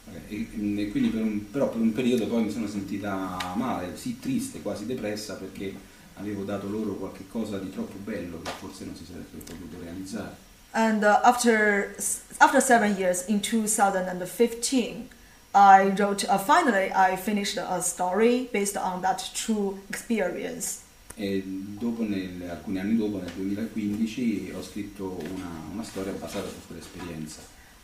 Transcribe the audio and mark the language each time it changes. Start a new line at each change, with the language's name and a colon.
Italian: E quindi però per un periodo poi mi sono sentita male, sì, triste, quasi depressa, perché avevo dato loro qualche cosa di troppo bello che forse non si sarebbe potuto realizzare.
English: And after 7 years, in 2015, I wrote, finally I finished a story based on that true experience.
Italian: E dopo, alcuni anni dopo, nel 2015, ho scritto una storia basata su quell'esperienza.